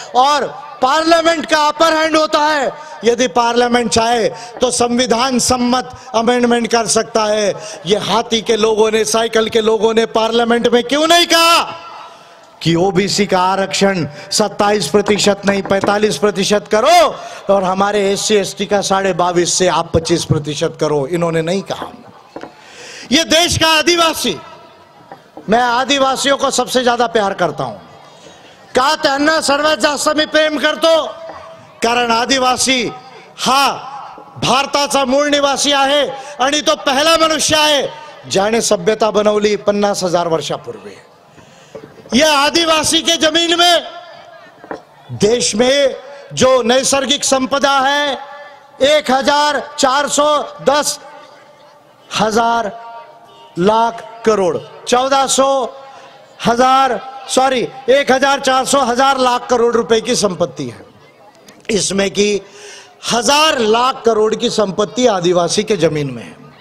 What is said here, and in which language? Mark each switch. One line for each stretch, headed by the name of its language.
Hindi: और पार्लियामेंट का upper hand होता है, यदि पार्लियामेंट चाहे तो संविधान सम्मत अमेंडमेंट कर सकता है। ये हाथी के लोगों ने, साइकिल के लोगों ने पार्लियामेंट में क्यों नहीं कहा कि ओबीसी का आरक्षण 27% नहीं 45% करो और हमारे एससी एसटी का 22.5 से आप 25% करो? इन्होंने नहीं कहा। ये देश का आदिवासी, मैं आदिवासियों को सबसे ज्यादा प्यार करता हूं,
Marathi: का त्यांना सर्वात जास्त मी प्रेम करतो, कारण आदिवासी हा भारताचा मूळ निवासी आहे आणि तो पहला मनुष्य आहे ज्याने सभ्यता बनवली 50,000 वर्षापूर्वी।
Hindi: यह आदिवासी के जमीन में, देश में जो नैसर्गिक संपदा है 1,400,000 रुपए की संपत्ति है, इसमें की 1,000,00,000 करोड़ की संपत्ति आदिवासी के जमीन में है।